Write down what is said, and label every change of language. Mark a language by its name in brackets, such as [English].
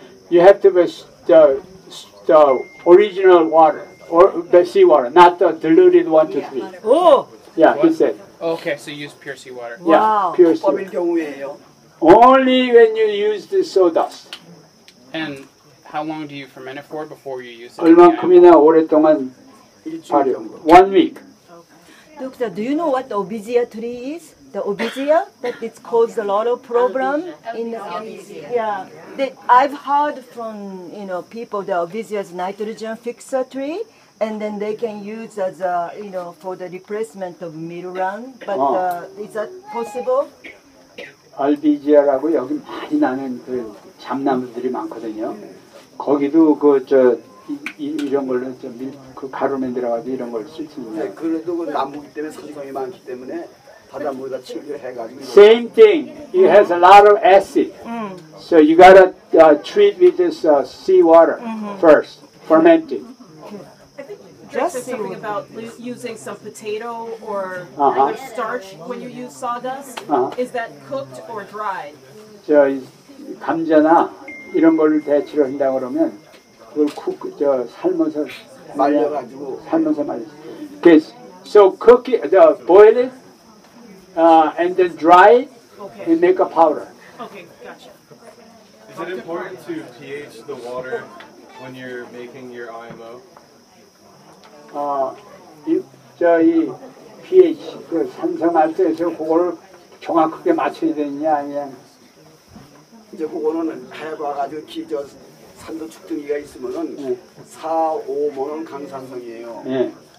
[English] You have to be the original water or the seawater, not the diluted 1:30. Oh. Yeah, he said. Okay, so you use pure seawater. Wow. Yeah, pure seawater. Only when you use the sawdust. And how long do you ferment it for before you use it? [Korean] 얼만큼이나 오랫동안 발효? [English] 1 week. Doctor, do you know what the obesia tree is? The obesia that it's caused a lot of problem in the obesia. Yeah. That I've heard from people the obesia is nitrogen fixer tree. And then they can use as a, you know, for the replacement of middle run. But is that possible? [Korean] Albizia라고 여기 많이 나는 그 잡나무들이 많거든요. 거기도 그 저 이런 걸로 좀 그 가루 만들어가지고 이런 걸 쓸 수 있는. 네, 그래도 그 나무기 때문에 산성이 많기 때문에 바닷물에다 칠해가지고. [English] Same thing. It has a lot of acid. So you gotta treat with this sea water first, fermenting. Something about using some potato or other starch when you use sawdust. Is that cooked or dried? [Korean] 저 감자나 이런 걸 대치를 한다 그러면 그걸 쿡 저 삶아서 말려가지고 삶아서 말려. [English] Okay, so cook it, the boil it, and then dry it, okay. And make a powder. Okay, gotcha. Is it important to pH the water when you're making your IMO? [Korean] 저희 pH 그 산성할 때에서 그걸 정확하게 맞춰야 되느냐 아니면 이제 그거는 해봐가지고 기저 산도 측정기가 있으면은 네. 4, 5번은 강산성이에요. 네.